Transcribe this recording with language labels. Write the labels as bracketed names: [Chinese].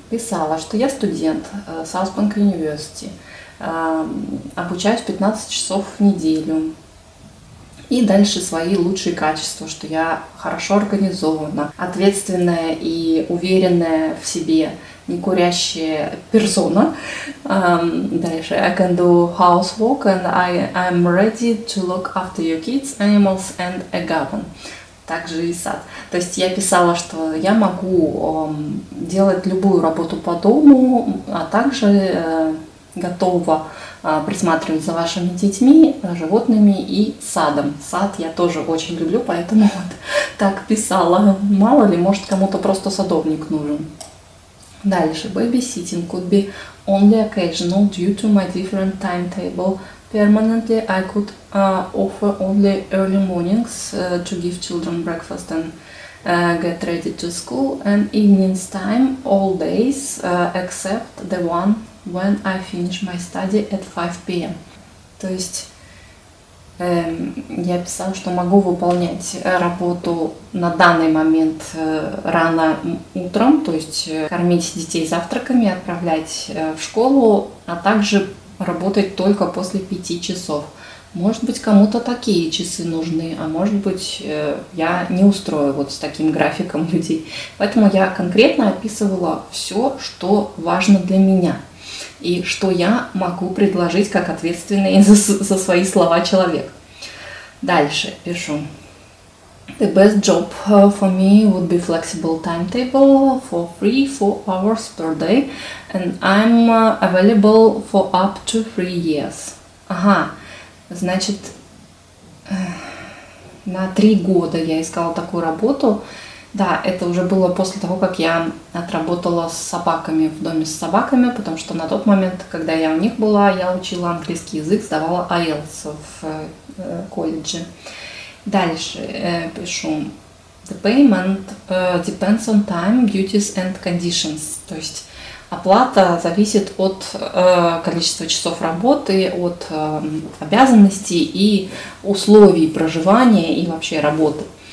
[Russian] Писала, что я студент Southbank University, обучаюсь 15 часов в неделю. И дальше свои лучшие качества, что я хорошо организована, ответственная и уверенная в себе, не курящая персона. Дальше. [English] I can do housework and I'm ready to look after your kids, animals and a garden. [Russian] Также и сад. То есть я писала, что я могу делать любую работу по дому, а также готова присматривать за вашими детьми, животными и садом. Сад я тоже очень люблю, поэтому вот так писала. Мало ли, может, кому-то просто садовник нужен. Дальше. [English] Babysitting could be only occasional due to my different timetable. Permanently I could offer only early mornings to give children breakfast and get ready to school, and evenings time all days except the one when I finish my study at 5 p.m. [Russian] То есть Я писала, что могу выполнять работу на данный момент рано утром, то есть кормить детей завтраками, отправлять в школу, а также работать только после 5 часов. Может быть, кому-то такие часы нужны, а может быть, я не устрою вот с таким графиком людей. Поэтому я конкретно описывала все, что важно для меня. И что я могу предложить как ответственный за свои слова человек. Дальше пишу. [English] The best job for me would be flexible timetable for 3-4 hours per day. And I'm available for up to 3 years. Ага. [Russian] Значит, на 3 года я искала такую работу. Да, это уже было после того, как я отработала с собаками, в доме с собаками, потому что на тот момент, когда я у них была, я учила английский язык, сдавала IELTS в колледже. Дальше пишу. [English] The payment depends on time, duties and conditions. [Russian] То есть оплата зависит от количества часов работы, от обязанностей и условий проживания и вообще работы.